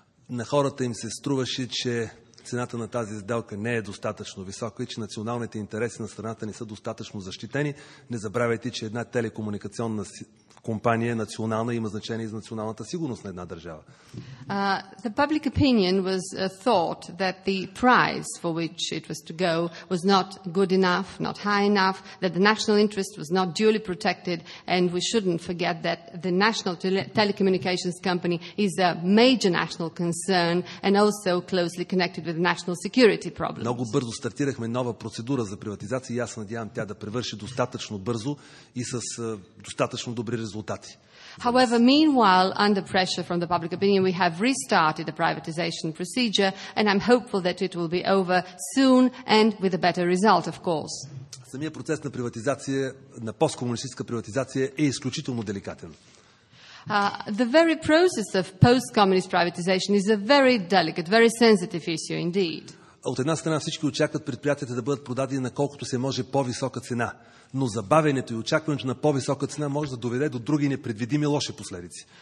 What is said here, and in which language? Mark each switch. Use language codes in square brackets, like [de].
[bg] На хората им се струваше, че цената на тази сделка не е достатъчно висока и че националните интереси на страната не са достатъчно защитени. Не забравяйте, че една телекомуникационна компания национална има значение за националната сигурност на една държава. [en] The public opinion was thought that the price for which it was to go was not good enough, not high enough, that the national interest was not duly protected, and we shouldn't forget that the national telecommunications company is a major national concern and also closely connected with national security problems. [bg] Много бързо стартирахме нова процедура за приватизация и аз надявам тя да превърши достатъчно бързо и с достатъчно добри резултати. [en] However, meanwhile, under pressure from the public opinion, we have restarted the privatization procedure, and I'm hopeful that it will be over soon and with a better result, of course. [bg] Самия процес на приватизация, на посткомунистическа приватизация, е изключително деликатен. [en] The very process of post-communist privatization is a very delicate, very sensitive issue indeed. [bg] От една страна всички очакват предприятията да бъдат продадени на колкото се може по-висока цена. Но забавянето и очакването на по-висока цена може да доведе до други непредвидими лоши последици.